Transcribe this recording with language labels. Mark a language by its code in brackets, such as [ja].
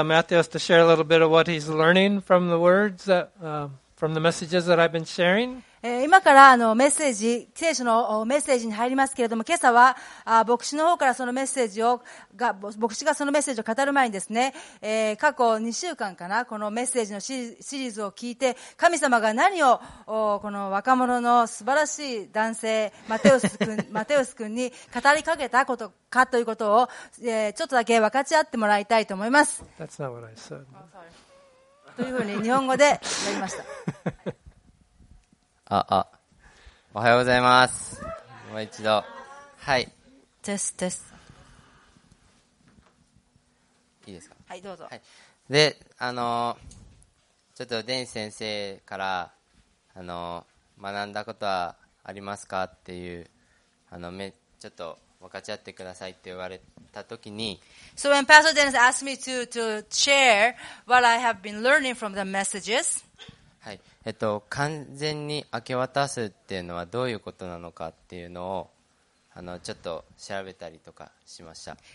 [en] Matthias to share a little bit of what he's learning from the words that, from the messages that I've been sharing. [ja] 今からメッセージ、聖書のメッセージに入りますけれども、今朝は牧師の方からそのメッセージを、牧師がそのメッセージを語る前にですね、過去2週間かな、このメッセージのシリーズを聞いて、神様が何をこの若者の素晴らしい男性、マテウス君に語りかけたことかということを、ちょっとだけ分かち合ってもらいたいと思います。 [en] That's not what I said. [ja] というふうに日本語でやりました。あ、おはようございます。もう一度。はい。です、です。いいですか？はい、どうぞ。はい。で、ちょっとデン先生から、学んだことはありますかっていう、ちょっと分かち合ってくださいって言われたときに。 [en] So when Pastor Dennis asked me to share what I have been learning from the messages, [ja] はい、完全に明け渡すっていうのはどういうことなのかっていうのをちょっと調べたりとかしました。